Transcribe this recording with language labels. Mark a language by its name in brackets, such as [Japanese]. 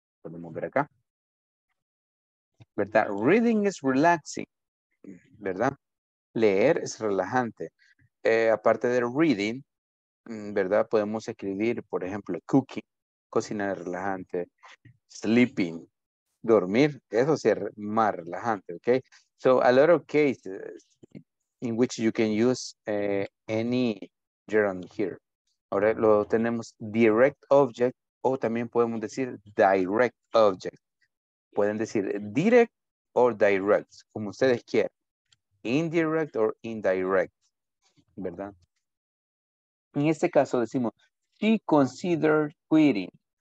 [Spanish] Podemos ver acá. ¿Verdad? [English] Reading is relaxing. [Spanish] ¿Verdad? Leer es relajante. Aparte de reading, ¿verdad? Podemos escribir, por ejemplo, cooking, cocinar relajante, sleeping, dormir, eso sí es más relajante, ¿ok? [English] So, a lot of cases in which you can use any gerund here. [Spanish] Ahora lo tenemos direct object o también podemos decir direct object. Pueden decir direct o direct, como ustedes quieran. [English] Indirect or indirect. [Spanish] ¿Verdad? En este caso decimos, [English] she considered quitting.